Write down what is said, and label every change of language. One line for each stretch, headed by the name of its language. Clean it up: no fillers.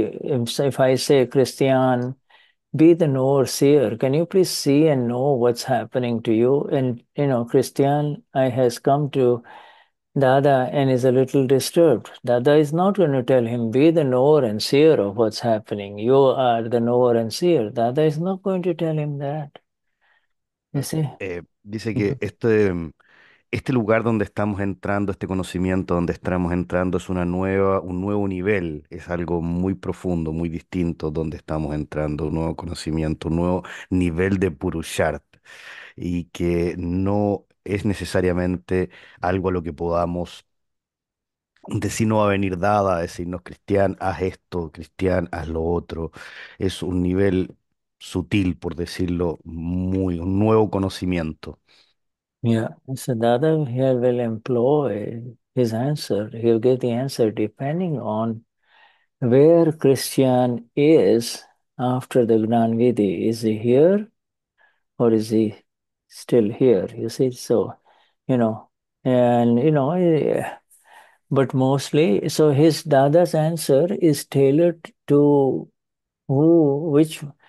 English: If I say, Christian, be the knower seer, can you please see and know what's happening to you? And, Christian, I has come to Dada and is a little disturbed. Dada is not going to tell him, be the knower and seer of what's happening. You are the knower and seer. Dada is not going to tell him that. You see?
Spanish: Dice que este lugar donde estamos entrando, este conocimiento donde estamos entrando es un nuevo nivel, es algo muy profundo, muy distinto donde estamos entrando, un nuevo conocimiento, un nuevo nivel de Purushart y que no es necesariamente algo a lo que podamos decir no va a venir dada, decirnos Cristian, haz esto, Cristian, haz lo otro, es un nivel sutil, por decirlo, muy un nuevo conocimiento.
English: Yeah, so Dada here will employ his answer. He'll get the answer depending on where Christian is after the Gnanvidhi. Is he here or is he still here? You see, so, and, but mostly, so his Dada's answer is tailored to who, which.